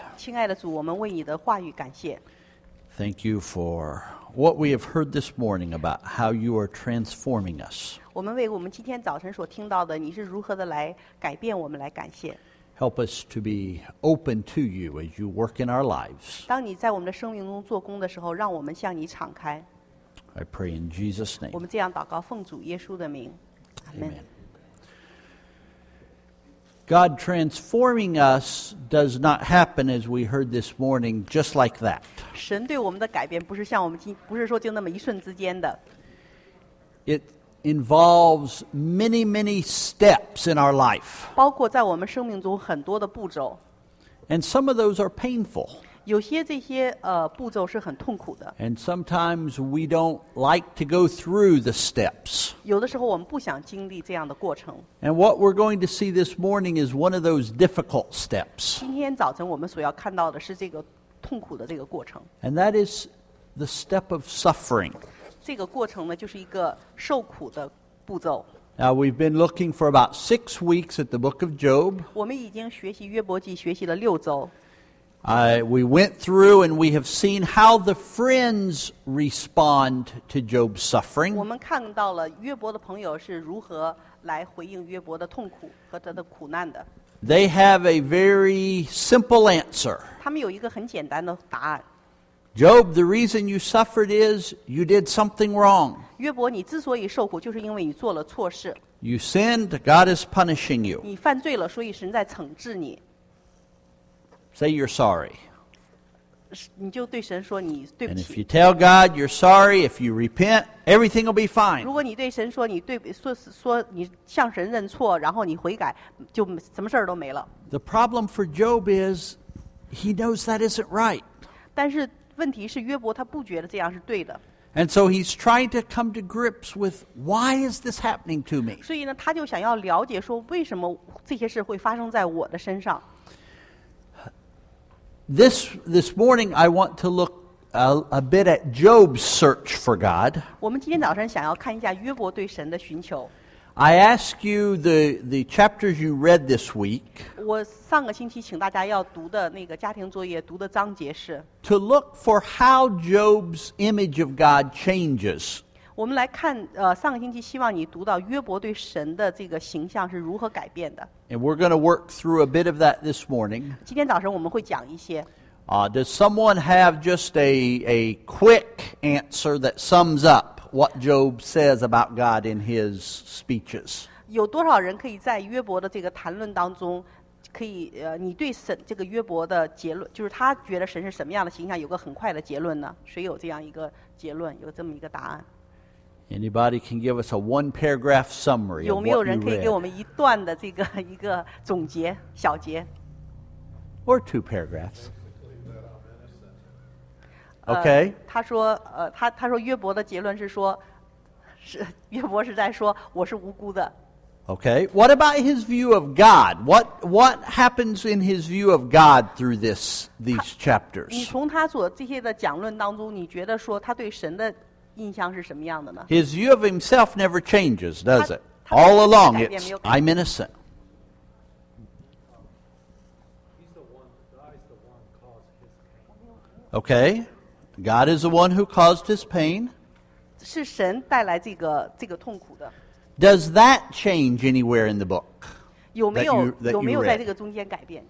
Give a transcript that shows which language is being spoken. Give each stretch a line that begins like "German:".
Chinese: 亲爱的主，我们为你的话语感谢。
English: Thank you for what we have heard this morning about how you are transforming us.
Chinese: 我们为我们今天早晨所听到的你是如何的来改变我们来感谢。
English: Help us to be open to you as you work in our lives.
Chinese: 当你在我们的生命中做工的时候，让我们向你敞开。
English: I pray in Jesus' name.
Chinese: 我们这样祷告，奉主耶稣的名。
English: Amen. God transforming us does not happen, as we heard this morning, just like that.
Chinese: 神对我们的改变不是像我们今不是说就那么一瞬之间的。
English: It involves many, many steps in our life.
Chinese: 包括在我们生命中很多的步骤。
English: And some of those are painful.
Chinese: 有些这些步骤是很痛苦的。
English: And sometimes we don't like to go through the steps.
Chinese: 有的时候我们不想经历这样的过程。
English: And what we're going to see this morning is one of those difficult steps.
Chinese: 今天早晨我们所要看到的是这个痛苦的这个过程。
English: And that is the step of suffering.
Chinese: 这个过程呢，就是一个受苦的步骤。
English: Now we've been looking for about 6 weeks at the book of Job.
Chinese: 我们已经学习约伯记，学习了六周。
English: We went through and we have seen how the friends respond to Job's suffering.
Chinese: 我们看到了约伯的朋友是如何来回应约伯的痛苦和他的苦难的。
English: They have a very simple answer.
Chinese: 他们有一个很简单的答案。
English: Job, the reason you suffered is you did something wrong.
Chinese: 约伯，你之所以受苦，就是因为你做了错事。
English: You sinned, God is punishing you.
Chinese: 你犯罪了，所以神在惩治你。
English: Say you're sorry.
Chinese: 你就对神说你对不起。
English: And if you tell God you're sorry, if you repent, everything will be fine.
Chinese: 如果你对神说你对说你向神认错，然后你悔改，就什么事儿都没了。
English: The problem for Job is he knows that isn't right.
Chinese: 但是问题是约伯他不觉得这样是对的。
English: And so he's trying to come to grips with why is this happening to me?
Chinese: 所以呢他就想要了解说为什么这些事会发生在我的身上。
English: This morning I want to look a bit at Job's search for God.
Chinese: 我们今天早上想要看一下约伯对神的寻求。
English: I ask you the chapters you read this week.
Chinese: 我上个星期请大家要读的那个家庭作业读的章节是
English: to look for how Job's image of God changes.
Chinese: 我们来看上个星期希望你读到约伯对神的这个形象是如何改变的。
English: And we're going to work through a bit of that this morning.
Chinese: 今天早上我们会讲一些。
English: Does someone have just a quick answer that sums up what Job says about God in his speeches?
Chinese: 有多少人可以在约伯的这个谈论当中可以你对神这个约伯的结论就是他觉得神是什么样的形象有个很快的结论呢谁有这样一个结论有这么一个答案
English: Anybody can give us a one paragraph summary
Chinese: 有没有人可以给我们一段的这个一个总结小结
English: Or two paragraphs? Okay.
Chinese: 他说约伯的结论是说是约伯是在说我是无辜的。
English: Okay. What about his view of God? What happens in his view of God through these chapters?
Chinese: 你从他所这些的讲论当中你觉得说他对神的印象是什么样的呢?
English: His view of himself never changes, does it? All along it's I'm innocent. Okay. God is the one who caused his pain.
Chinese: 是神带来这个痛苦的。
English: Does that change anywhere in the book?
Chinese: 有没有 有没有在这个中间改变？